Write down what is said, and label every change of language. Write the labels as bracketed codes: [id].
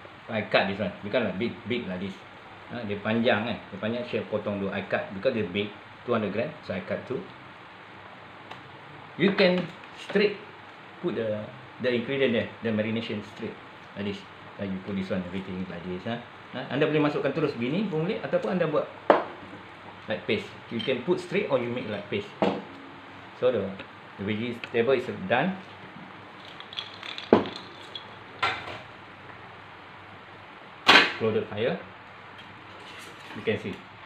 [en] I cut this one, because big lah this. [ms] Dia panjang kan, dia panjang, saya potong dua. [en] I cut because [ms] dia [en] big. 200 gram. So I cut 2. You can straight put the ingredient there, the marination straight like this. Like you put this one, everything like this, huh? [ms] Anda boleh masukkan terus begini pun boleh, ataupun anda buat [en] like paste. You can put straight or you make like paste. So the vegetable is done. Close the fire. You can see.